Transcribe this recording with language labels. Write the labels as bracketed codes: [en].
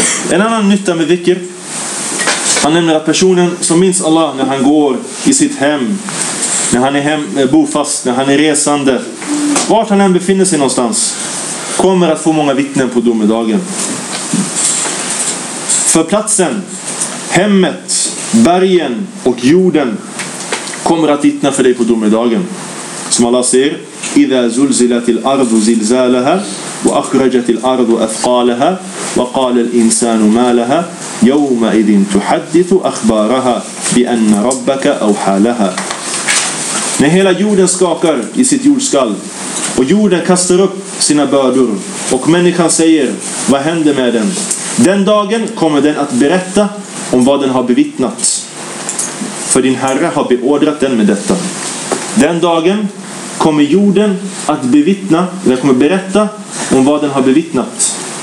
[sv] En annan nytta med dhikr, han nämner att personen som minns Allah när han går i sitt hem, när han är hem, bofast, när han är resande, vart han än befinner sig någonstans, kommer att få många vittnen på domedagen. För platsen, hemmet, bergen och jorden kommer att vittna för dig på domedagen. Som Allah säger, [ar] إِذَا زُلْزِلَتِ الْأَرْضُ زِلْزَالَهَا وَأَخْرَجَتِ الْأَرْضُ أَثْقَالَهَا وَقَالَ الْإِنسَانُ مَا لَهَا يَوْمَئِذٍ تُحَدِّثُ أَخْبَارَهَا بِأَنَّ رَبَّكَ أَوْحَى لَهَا. [sv] När hela jorden skakar i sitt jordskall och jorden kastar upp sina bördor och människan säger, vad händer med den? Den dagen kommer den att berätta om vad den har bevittnat. För din Herre har beordrat den med detta. Den dagen kommer jorden att bevittna, den kommer berätta om vad den har bevittnat.